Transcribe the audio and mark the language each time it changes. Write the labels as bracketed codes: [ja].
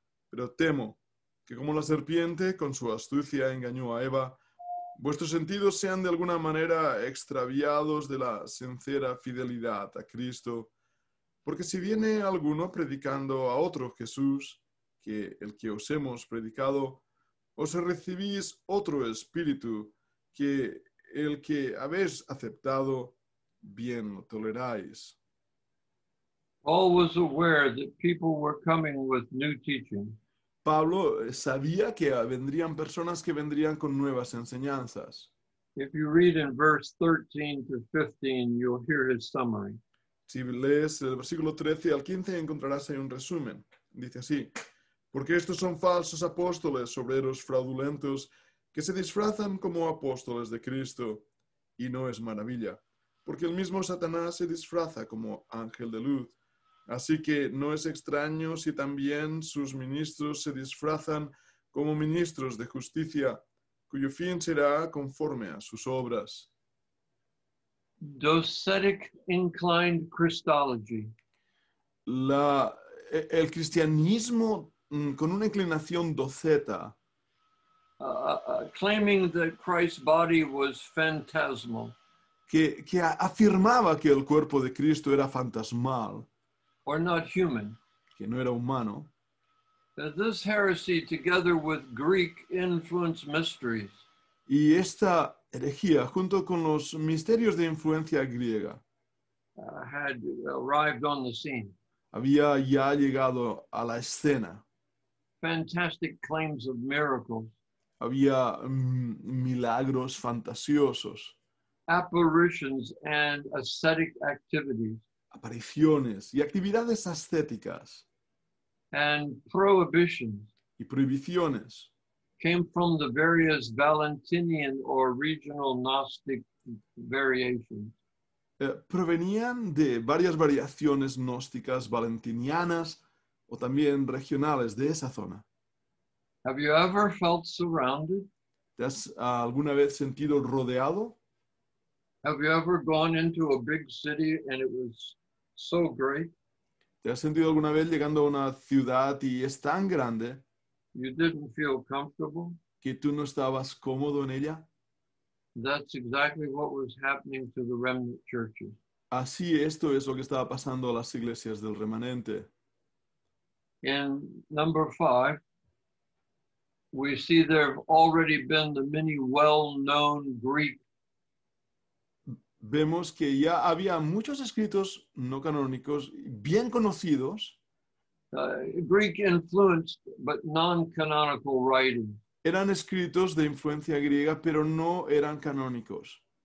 [es] Pero temo que como la serpiente con su astucia engañó a Eva, vuestros sentidos sean de alguna manera extraviados de la sincera fidelidad a Cristo. Porque si viene alguno predicando a otro Jesús, que el que os hemos predicado, os recibís otro espíritu que el que habéis aceptado, bien lo toleráis. [en] Paul was aware that people were coming with new teaching. [es] Pablo sabía que vendrían personas que vendrían con nuevas enseñanzas. [en] If you read in verse 13 to 15, you'll hear his summary. [es] Si lees el versículo 13 al 15, encontrarás ahí un resumen. Dice así, porque estos son falsos apóstoles, obreros fraudulentos, que se disfrazan como apóstoles de Cristo. Y no es maravilla, porque el mismo Satanás se disfraza como ángel de luz. Así que no es extraño si también sus ministros se disfrazan como ministros de justicia, cuyo fin será conforme a sus obras. [en] Docetic inclined Christology. [es] El cristianismo con una inclinación doceta. [en] Claiming that Christ's body was phantasmal. [es] Que afirmaba que el cuerpo de Cristo era fantasmal. [en] Or not human. [es] Que no era humano. [en] that this heresy, together with Greek influence mysteries, [es] y esta herejía, junto con los misterios de influencia griega, [en] had arrived on the scene. [es] Había ya llegado a la escena. [en] Fantastic claims of miracles. [es] Había milagros fantasiosos. [en] Apparitions and ascetic activities. [es] Apariciones y actividades ascéticas. [en] And prohibitions. [es] Y prohibiciones. [en] Came from the various Valentinian or regional Gnostic variations. [es] Provenían de varias variaciones gnósticas valentinianas o también regionales de esa zona. [en] Have you ever felt surrounded? [es] ¿Te has alguna vez sentido rodeado? [en] Have you ever gone into a big city and it was so great? [es] ¿Te has sentido alguna vez llegando a una ciudad y es tan grande? [en] You didn't feel comfortable? [es] ¿Que tú no estabas cómodo en ella? [en] That's exactly what was happening to the remnant churches. [es] Así esto es lo que estaba pasando a las iglesias del remanente. [en] In number 5, we see there have already been the many well-known Greek. [es] Vemos que ya había muchos escritos no canónicos bien conocidos. [en] Greek-influenced, but non-canonical writing. [es] Eran escritos de influencia griega, pero no eran canónicos.